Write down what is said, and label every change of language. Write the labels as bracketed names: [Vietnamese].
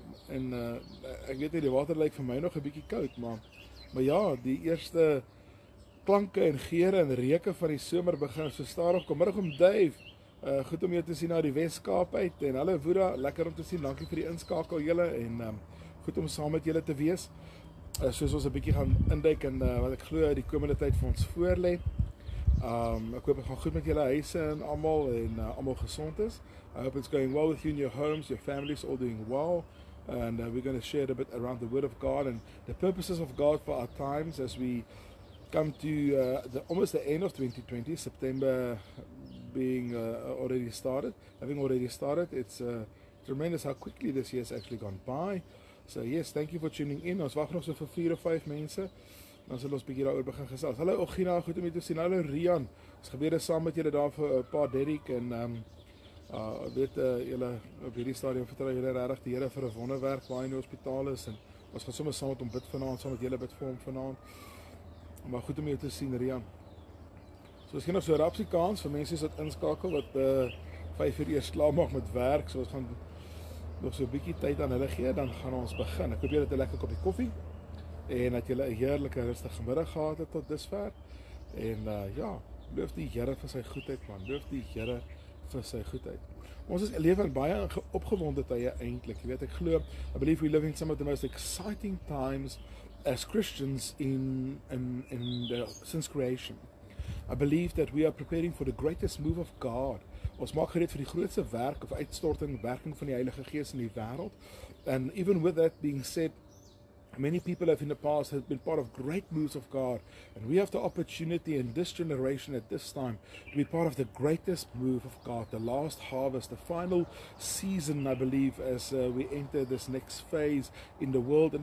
[Afrikaans] Ek weet nie, die water lyk vir my nog 'n bietjie koud, maar ja, die eerste klanke en geure en reuke van die somer begin so stadig kom. Middag om Dave, goed om jou te sien na die Weskaap uit, en hallo Woeda, lekker om te sien, dankie vir die inskakel julle, en goed om saam met julle te wees, soos ons 'n bietjie gaan induik in wat ek glo die komende tyd vir ons voorlê. Ek hoop het gaan goed met julle huise en allemaal en allemaal gezond is. [English] I hope it's going well with you in your homes, your families all doing well. And we're going to share a bit around the word of God and the purposes of God for our times as we come to almost the end of 2020, September being having already started. It's tremendous how quickly this year has actually gone by. So yes, thank you for tuning in. [Afrikaans] Ons wacht nog so vir 4 of 5 mense. Dan sal ons bykie daar oor begin gesels. Hallo Ogina, goed om jy te sien. Hallo Rian, ons gebede saam met julle daar vir pa Derek en julle op hierdie stadium vertrou julle regtig die Here vir 'n wonderwerk waar hy in die hospitaal is en ons gaan sommer saam met hom bid vanaand, saam met julle bid vir hom vanaand. Maar goed om jy te sien Rian. So is hier nog so 'n rapsie kans vir mense wat inskakel wat 5 uur eers klaar maak met werk, so ons gaan nog so 'n bietjie tyd aan hulle gee, dan gaan ons begin. Ek hoop julle het 'n lekker koppie koffie en dat julle 'n heerlike rustige middag gehad het tot dusver. En ja, loof die Here vir sy goedheid man, loof die Here vir sy goedheid. Ons is lewe in baie opgewonde tye eintlik. Jy weet, ek glo, [English] I believe we living some of the most exciting times as Christians since creation. I believe that we are preparing for the greatest move of God. [Afrikaans] Ons maak gereed vir die grootste werk of uitstorting, werking van die Heilige Gees in die wêreld. [English] And even with that being said, many people have in the past have been part of great moves of God, and we have the opportunity in this generation at this time to be part of the greatest move of God, the last harvest, the final season, I believe, as we enter this next phase in the world.